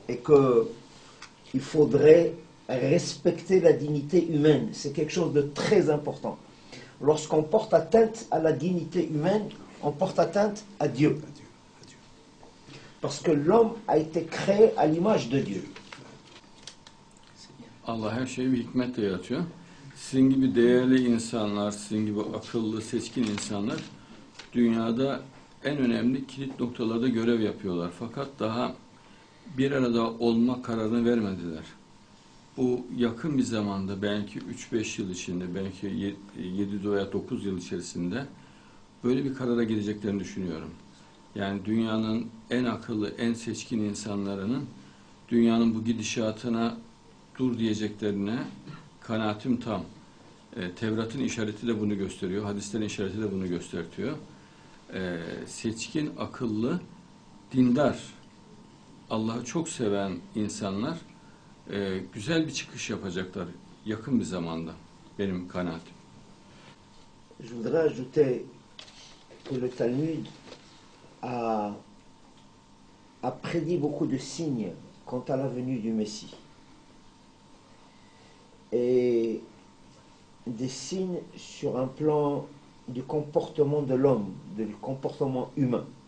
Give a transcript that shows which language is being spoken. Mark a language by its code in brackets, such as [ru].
[fr] Et qu'il faudrait respecter la dignité humaine. C'est quelque chose de très important. Lorsqu'on porte atteinte à la dignité humaine, on porte atteinte à Dieu. Parce que l'homme a été créé à l'image de Dieu. [tr] Allah her şeyi bir hikmetle yaratıyor. Sizin gibi değerli insanlar, sizin gibi akıllı, seçkin insanlar dünyada en önemli kilit noktalarda görev yapıyorlar. Fakat daha bir arada olma kararını vermediler. Bu yakın bir zamanda, belki 3-5 yıl içinde, belki 7 veya 9 yıl içerisinde böyle bir karara gideceklerini düşünüyorum. Yani dünyanın en akıllı, en seçkin insanlarının dünyanın bu gidişatına dur diyeceklerine kanaatim tam. Tevrat'ın işareti de bunu gösteriyor, hadislerin işareti de bunu göstertiyor. Seçkin, akıllı, dindar, Allah'ı çok seven insanlar güzel bir çıkış yapacaklar yakın bir zamanda, benim kanaatim. [fr] Je voudrais ajouter que le Talmud a prédit beaucoup de signes quant à la venue du Messie. Et des signes sur un plan du comportement de l'homme, du comportement humain.